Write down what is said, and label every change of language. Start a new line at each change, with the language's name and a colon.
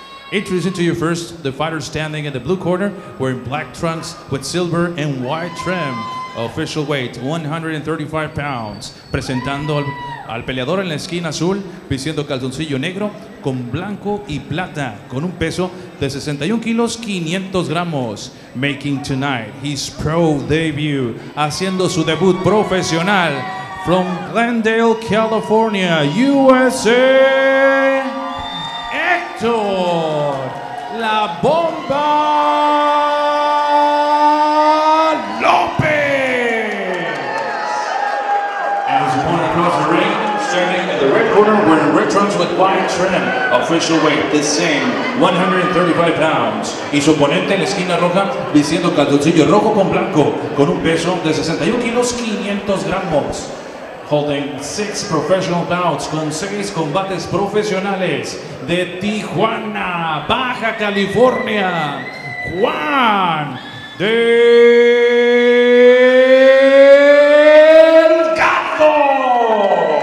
English: Introducing to you first, the fighter standing in the blue corner, wearing black trunks with silver and white trim. Official weight, 135 pounds.
Spanish: Presentando al peleador en la esquina azul, vistiendo calzoncillo negro con blanco y plata, con un peso de 61 kilos, 500 gramos.
English: Making tonight his pro debut,
Spanish: haciendo su debut profesional,
English: from Glendale, California, USA. Hector, la bomba López. And his opponent across the ring, standing in the red corner, wearing red trunks with white trim. Official weight, the same, 135 pounds.
Spanish: Y su oponente en la esquina roja, vistiendo calzoncillo rojo con blanco, con un peso de 61 kilos, 500 gramos.
English: Holding 6 professional bouts
Spanish: con 6 combates profesionales de Tijuana, Baja California, Juan Delgado.